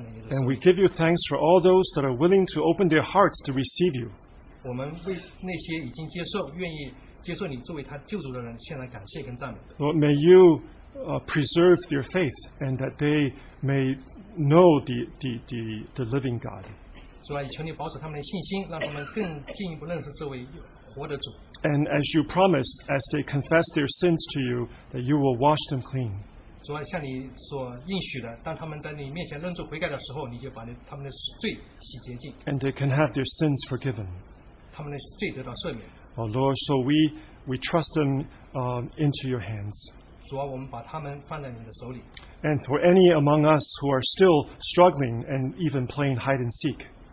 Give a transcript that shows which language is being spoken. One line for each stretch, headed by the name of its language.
English: And we give you thanks for all those that are willing to open their hearts to receive you.
Chinese: 我们为那些已经接受、愿意接受你作为他救主的人，献上感谢跟赞美。
English: Lord, may you preserve their faith, and that they may know the living God.
Chinese: 主啊，求你保守他们的信心，让他们更进一步认识这位活的主。
English: And as you promised, as they confess their sins to you, that you will wash them clean.
Chinese: 主啊，像你所应许的，当他们在你面前认罪悔改的时候，你就把他们的罪洗洁净。
English: And they can have their sins forgiven.
Chinese: 他们的罪得到赦免。
English: Oh Lord, so we trust them into your hands.
Chinese: 主啊，我们把他们放在你的手里。
English: And for any among us who are still struggling and even playing hide and seek.